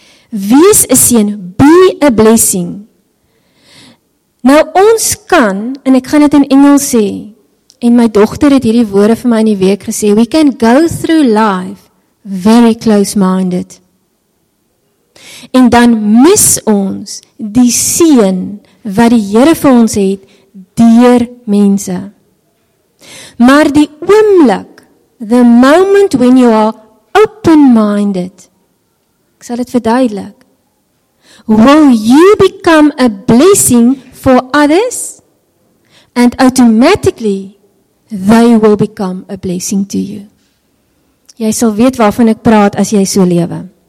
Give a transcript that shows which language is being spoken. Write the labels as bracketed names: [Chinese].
[Afrikaans] Wees 'n seën, [English] be a blessing. [Afrikaans] Nou ons kan, en ek gaan dit in Engels sê, en my dogter het hierdie woorde vir my in die week gesê, [English] we can go through life very close-minded. [Afrikaans] En dan mis ons die seën wat die Here vir ons het, deur mense. Maar die oomblik, [English] the moment when you are open-minded, [Afrikaans] ek sal dit verduidelik, [English] will you become a blessing for others, and automatically, they will become a blessing to you. [Afrikaans] Jy sal weet waarvan ek praat as jy so lewe.